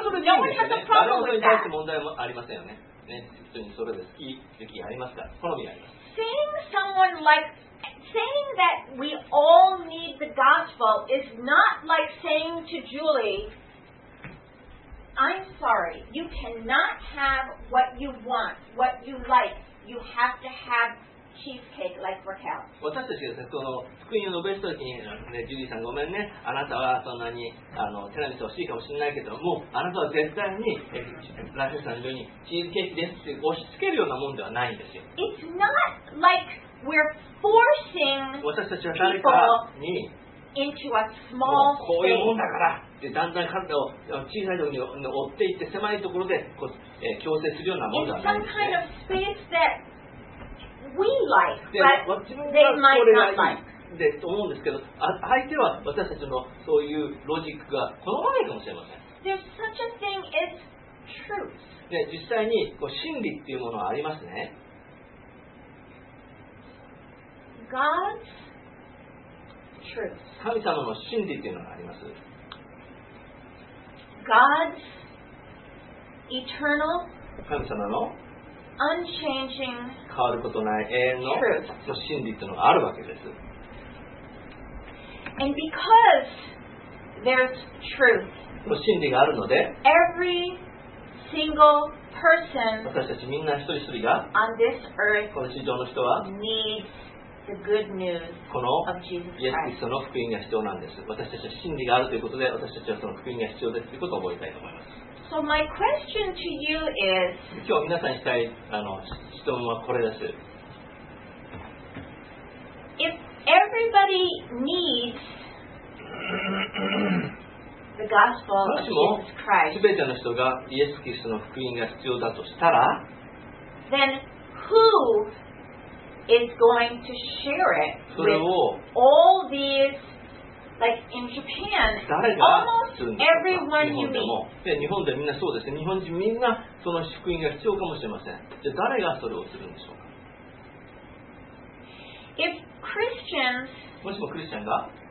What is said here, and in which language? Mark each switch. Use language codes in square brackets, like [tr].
[en] No one has a problem with that. Saying someone like, saying that we all need the gospel is not like saying to Julie, I'm sorry, you cannot have what you want, what you like, you have to have cheesecake like Raquel. [ja] 私たちがですね、この福音を述べるときに、ね、ジュリーさんごめんね、あなたはそんなにテラミス欲しいかもしれないけど、もうあなたは絶対にラフェさんのようにチーズケーキですって押し付けるようなもんではないんですよ。 [en] It's not like we're forcing people into a small thing. [ja] 私たちは誰かに、もうこういうもんだから、でだんだん体を小さいところに追っていって狭いところでこう、強制するようなもんではないんですね。 [en] It's some kind of space that we like, but they might not like. [ja] で、思うんですけど、相手は私たちのそういうロジックが好まないかもしれません。 [en] There's such a thing as truth. [ja] で、実際にこう真理っていうものはありますね。 [en] God's truth. [ja] 神様の真理っていうのがあります。 [en] God's eternal. [ja] 神様の。 [en] Unchanging [ja] 変わることない永遠の [en] truth. [ja] 真理というのがあるわけです。 [en] And because there's truth, [ja] 真理があるので、 [en] every single person [ja] 私たちみんな一人一人が [en] on this earth [ja] この地上の人は [en] needs the good news of Jesus Christ. [ja] このイエス・キリストの福音が必要なんです。私たちは真理があるということで、私たちはその福音が必要ですということを覚えたいと思います。 [en] So my question to you is, [ja] 今日皆さんにしたい質問はこれです。 [en] If everybody needs the gospel of Jesus Christ, [ja] 全ての人がイエス・キリストの福音が必要だとしたら、 [en] then who is going to share it with all these? Like in Japan, almost everyone you meet. [ja] 日本でみんなその福音が必要かもしれません。じゃあ誰がそれをするんでしょうか? [en] If Christians [ja] もしもクリスチャンが